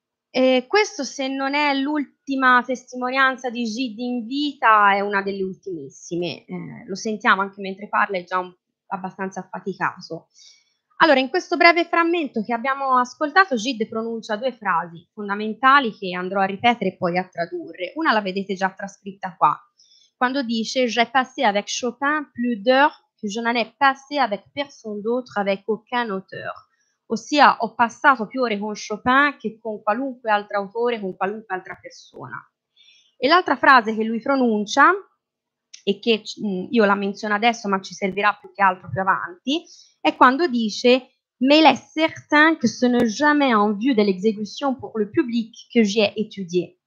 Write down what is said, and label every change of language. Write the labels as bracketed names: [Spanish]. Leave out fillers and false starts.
[Italian] E questo, se non è l'ultima testimonianza di Gide in vita, è una delle ultimissime. Lo sentiamo anche mentre parla, è già abbastanza affaticato. Allora, in questo breve frammento che abbiamo ascoltato, Gide pronuncia due frasi fondamentali che andrò a ripetere e poi a tradurre. Una la vedete già trascritta qua. quando dice [French] j'ai passé avec Chopin plus d'heures que je n'en ai passé avec personne d'autre, avec aucun auteur. [Italian] Ossia, ho passato più ore con Chopin che con qualunque altro autore, con qualunque altra persona. E l'altra frase che lui pronuncia, e che io la menziono adesso, ma ci servirà più che altro più avanti, è quando dice [French] «Mais il est certain que ce n'est jamais en vue de l'exécution pour le public que j'y ai étudié».